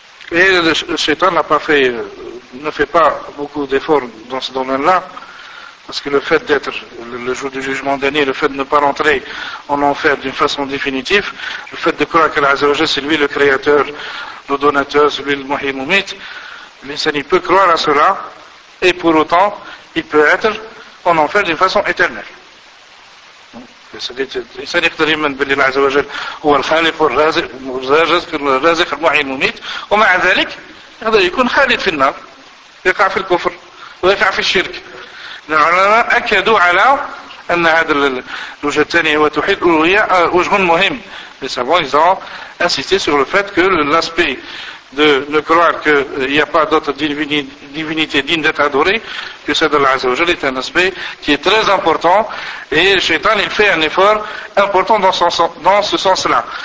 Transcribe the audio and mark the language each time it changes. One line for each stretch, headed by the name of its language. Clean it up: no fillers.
French: Et le shaitan ne fait pas beaucoup d'efforts dans ce domaine-là, parce que le fait d'être le jour du jugement dernier, le fait de ne pas rentrer en enfer d'une façon définitive, le fait de croire que l'Azza wa Jalla c'est lui le créateur, le donateur, celui le Muhyi Mumit, l'insan il peut croire à cela, et pour autant, il peut être en enfer d'une façon éternelle.
Arabic: الإنسان يقدر يؤمن بلي الله عز وجل هو الخالق والرازق المرزاق المحيي المميت ومع ذلك يقدر يكون خالد في النار يقع في الكفر ويقع في الشرك. العلماء أكدوا على أن هذا الوجه الثاني هو توحيد الألوهية وجه مهم.
French: Les savants, ils ont insisté sur le fait que l'aspect de ne croire qu'il n'y a pas d'autre divinité digne d'être adorée que celle d'Allah Azzawajal est un aspect qui est très important, et le shaitan il fait un effort important dans ce sens-là.